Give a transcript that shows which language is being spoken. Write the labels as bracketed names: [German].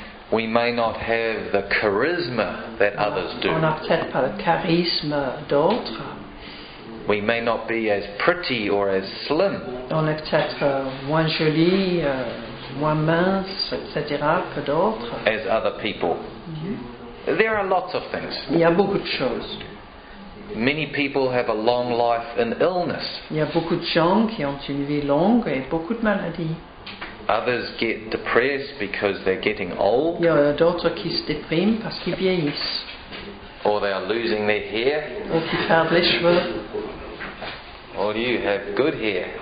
[English] We may not have the charisma that others do. [French] On n'a peut-être pas le charisme d'autres. [English] We may not be as pretty or as slim. [French] On est peut-être moins joli, moins mince, etc. que d'autres. [English] As other people. There are lots of things. [French] Il y a beaucoup de choses. [English] Many people have a long life in illness. [French] Il y a beaucoup de gens qui ont une vie longue et beaucoup de maladies. [English] Others get depressed because they're getting old. [French] Il y a d'autres qui se dépriment parce qu'ils vieillissent. [English] Or they are losing their hair. [French] Ou qui perdent les cheveux. [English] Or you have good hair.